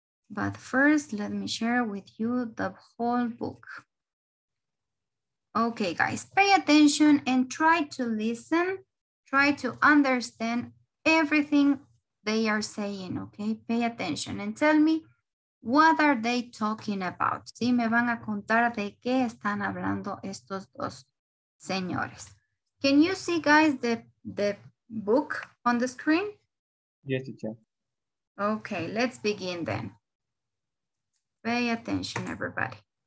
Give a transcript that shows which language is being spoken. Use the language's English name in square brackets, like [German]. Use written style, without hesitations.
[English] But first, let me share with you the whole book. Okay, guys, pay attention and try to listen. Try to understand everything they are saying, okay? Pay attention and tell me, what are they talking about? [Spanish] ¿Sí? Me van a contar de qué están hablando estos dos señores. [English] Can you see, guys, the book on the screen? Yes, teacher. Okay, let's begin then. Pay attention, everybody.